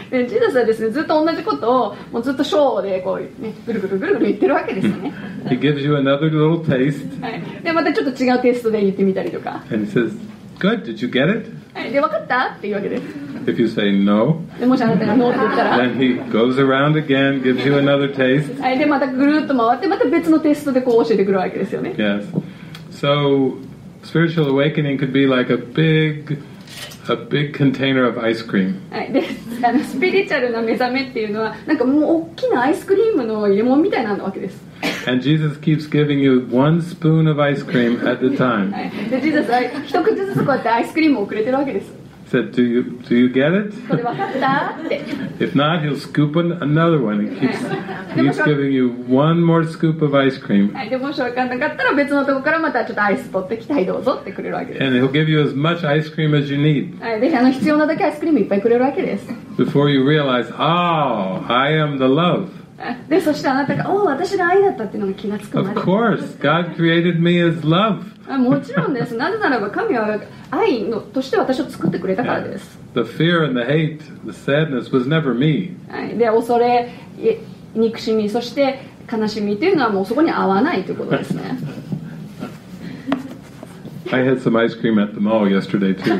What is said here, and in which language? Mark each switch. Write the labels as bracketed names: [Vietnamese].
[Japanese] で、ジーザスはですね、ずっと同じことを、もうずっと章でこう、ね、ぐるぐるぐるぐる言ってるわけですよね。 [English] He gives you another little taste. [Japanese] でまたちょっと違うテストで言ってみたりとか。 [English] And he says, "Good, did you get it?" [Japanese] で分かったっていうわけです。 [English] If you say no, [Japanese] でもしあなたがノーって言ったら、 [English] then he goes around again, gives you another taste. [Japanese] でまたぐるっと回ってまた別のテストでこう教えてくるわけですよね。 [English] Yes. So spiritual awakening could be like a big container of ice cream. [Japanese] スピリチュアルな目覚めっていうのはなんかもう大きなアイスクリームの入れ物みたいなわけです。 [English] And Jesus keeps giving you one spoon of ice cream at a time. [Japanese] で、ジーザスは一口ずつこうやってアイスクリームをくれてるわけです。 [English] Said, do you get it? [Japanese] これ分かったって。 [English] If not, he'll scoop another one. He keeps giving you one more scoop of ice cream. [Japanese] でもし分かんなかったら別のとこからまたちょっとアイス取ってきて、はい、どうぞってくれるわけです。 [English] And he'll give you as much ice cream as you need. [Japanese] で、必要なだけアイスクリームいっぱいくれるわけです。 [English] Before you realize, oh, I am the love. [Japanese] でそしてあなたが「おお私が愛だった」っていうのが気がつくまで。 [English] Of course, God created me as love. [Japanese] もちろんです。なぜならば神は愛のとして私を作ってくれたからです。 [English] The fear and the hate, the sadness was never me. [Japanese] で恐れ憎しみそして悲しみというのはもうそこに合わないということですね。 [English] I had some ice cream at the mall yesterday too.